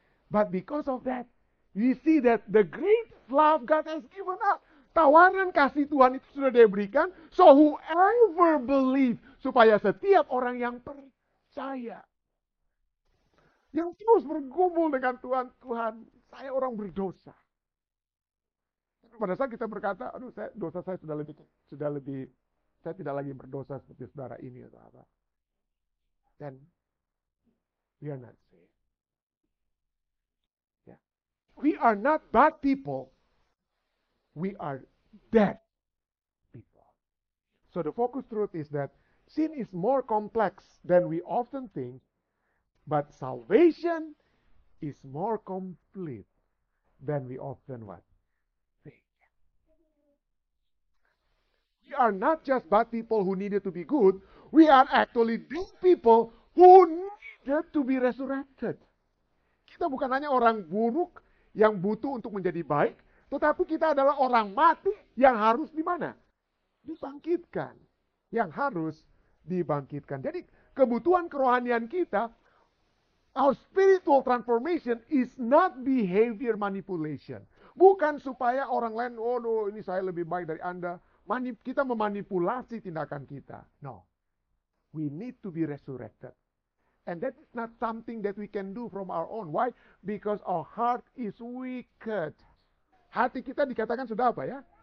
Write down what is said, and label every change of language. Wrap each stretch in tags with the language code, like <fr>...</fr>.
<en>But because of that, we see that the great love God has given us.</en> <id>Tawaran kasih Tuhan itu sudah dia berikan.</id> <en>So whoever believe,</en> <id>supaya setiap orang yang percaya, saya yang terus bergumul dengan Tuhan, Tuhan, saya orang berdosa. Pada saat kita berkata, aduh, saya, dosa saya sudah lebih, saya tidak lagi berdosa seperti saudara ini atau apa.</id> <en>Then we are not saved. Yeah. We are not bad people. We are dead people. So the focus truth is that sin is more complex than we often think, but salvation is more complete than we often what? Think. We are not just bad people who needed to be good. We are actually dead people who needed to be resurrected.</en> <id>Kita bukan hanya orang buruk yang butuh untuk menjadi baik, tetapi kita adalah orang mati yang harus di mana? Dibangkitkan. Yang harus dibangkitkan. Jadi kebutuhan kerohanian kita,</id> <en>our spiritual transformation is not behavior manipulation.</en> <id>Bukan supaya orang lain, ini saya lebih baik dari Anda. Kita memanipulasi tindakan kita. No.</id> <en>We need to be resurrected. And that is not something that we can do from our own. Why? Because our heart is wicked.</en> <id>Hati kita dikatakan sudah apa ya?</id>